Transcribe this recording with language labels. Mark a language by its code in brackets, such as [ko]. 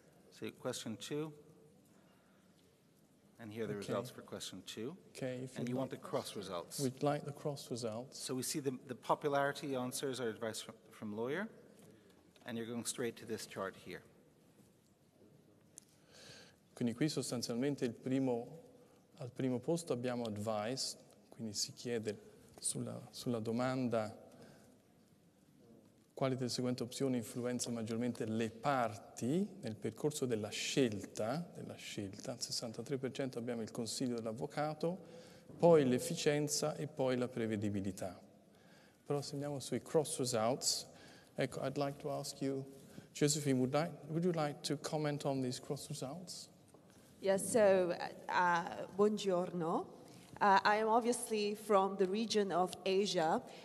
[en] So question two. And here are the results for question two. Okay. If and you want the cross results. We'd like the cross results. So we see the popularity answers are advice from lawyer, and you're going straight to this chart here. [it] Quindi qui sostanzialmente il primo al primo posto abbiamo advice, quindi si chiede sulla domanda quali delle seguenti opzioni influenza maggiormente le parti nel percorso della scelta, 63% abbiamo il consiglio dell'avvocato, poi l'efficienza e poi la prevedibilità. Però se andiamo sui cross results, ecco, [en] I'd like to ask you, Josephine, would you like to comment on these cross results? Yes, so, [it] buongiorno. [en] I am obviously from the region of Asia.